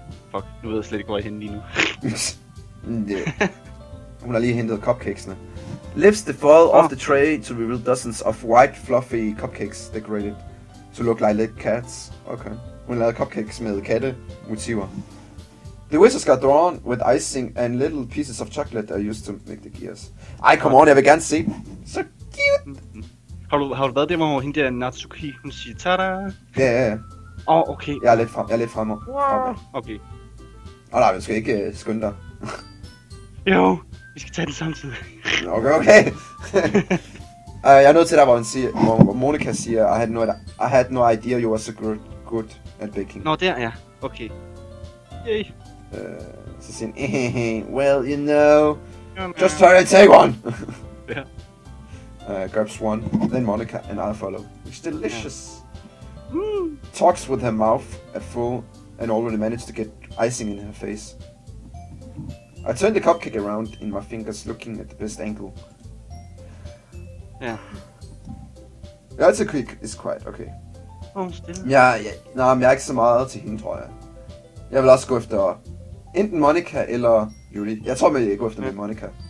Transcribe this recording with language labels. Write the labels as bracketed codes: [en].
[da] Fuck, nu ved jeg slet ikke, hvor jeg hen lige nu. Yeah. Hun har lige hentet cupcakesene. [en] Lifts the foil off the tray to reveal dozens of white fluffy cupcakes decorated to look like little cats. Okay. [da] Hun lavede cupcakes med katte motiver. [en] The whiskers got drawn with icing and little pieces of chocolate are used to make the gears. [da] Ej, come on, jeg vil gerne se. [en] So cute! [da] Har du været der, hvor hende der Natsuki, hun siger ta-da? Ja, ja, Åh, oh, okay. Jeg er lidt frem, jeg er lidt fremme. Wow. Okay. Åh, nej, vi skal ikke skynde dig. Jo, vi skal tage den samtidig. Okay, okay. jeg er nødt til der, hvor hun siger, hvor Monica siger, [en] I had no idea you were so good at baking. [da] Nå, der, ja. Okay. Yay. Så siger hun, [en] well, you know, just try to take one. [da] Ja. [en] grabs one, then Monica, and I follow. It's delicious. Yeah. Talks with her mouth at full, and already managed to get icing in her face. I turn the cupcake around in my fingers, looking at the best angle. [da] Ja. [en] Yeah. Ja, it's a quick, it's quiet, okay. Oh, [da] ja, ja. Nå, men jeg er ikke så meget til hende, tror jeg. Jeg vil også gå efter enten Monica eller Yuri. Jeg tror, jeg vil gå efter med Monica.